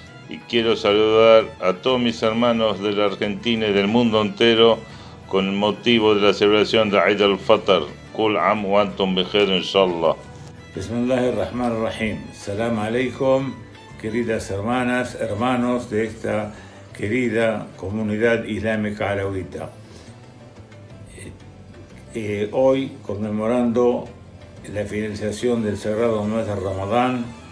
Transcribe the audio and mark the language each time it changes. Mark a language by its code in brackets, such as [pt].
[es] Y quiero saludar a todos mis hermanos de la Argentina y del mundo entero con el motivo de la celebración de Eid al-Fitr. [ar] كل عام وانتم بخير ان شاء الله. بسم الله الرحمن الرحيم. السلام عليكم [es] queridas hermanas, hermanos de esta querida comunidad islámica alawita. hoy conmemorando la finalización del sagrado mes de Ramadán.